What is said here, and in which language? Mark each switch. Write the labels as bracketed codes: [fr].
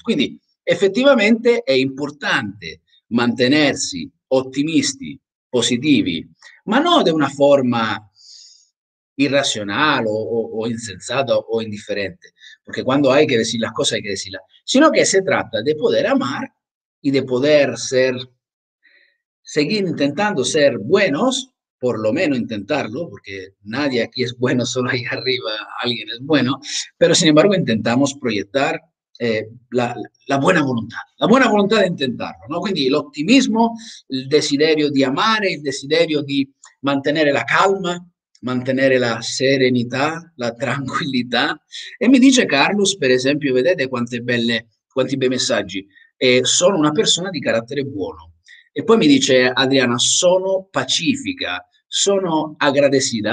[it] Quindi, effettivamente, è importante mantenersi ottimisti, positivi, ma non di una forma irrazionale o insensato o indifferente, [es] perque quando hay que decir las cosas hay que decirlas, sino que se trata de poder amar y de poder seguir intentando ser buenos, por lo menos intentarlo, porque nadie aquí es bueno, solo ahí arriba alguien es bueno, pero sin embargo intentamos proyectar la buena voluntad, la buena voluntad de intentarlo, ¿no? [it] Quindi l'ottimismo, il desiderio di amare, il desiderio di mantenere la calma, mantenere la serenità, la tranquillità. E mi dice Carlos, per esempio, vedete quanti bei messaggi. Sono una persona di carattere buono. E poi mi dice Adriana, sono pacifica, sono agradecida.